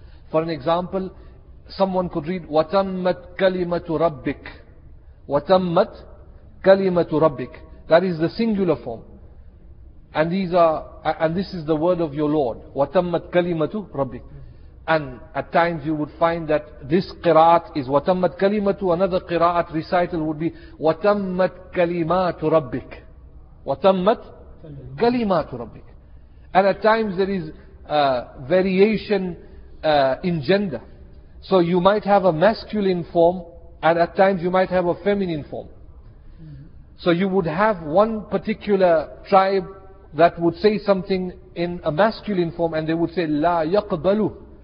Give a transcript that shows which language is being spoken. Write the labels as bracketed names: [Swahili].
[English] For an example, someone could read, [Arabic] وَتَمَّتْ كَلِمَةُ رَبِّكْ وَتَمَّتْ كَلِمَةُ رَبِّكْ. [English] That is the singular form. And these are, and this is the word of your Lord. [Arabic] وَتَمَّتْ كَلِمَةُ رَبِّكْ. [English] And at times you would find that this qiraat is [Arabic] وَتَمَّتْ كَلِمَةُ. [English] Another qiraat recital would be [Arabic] وَتَمَّتْ كَلِمَاتُ رَبِّكْ وَتَمَّتْ كَلِمَاتُ رَبِّكْ. [English] And at times there is variation in gender. So you might have a masculine form, and at times you might have a feminine form. So you would have one particular tribe that would say something in a masculine form, and they would say [Arabic] لَا يَقْبَلُ.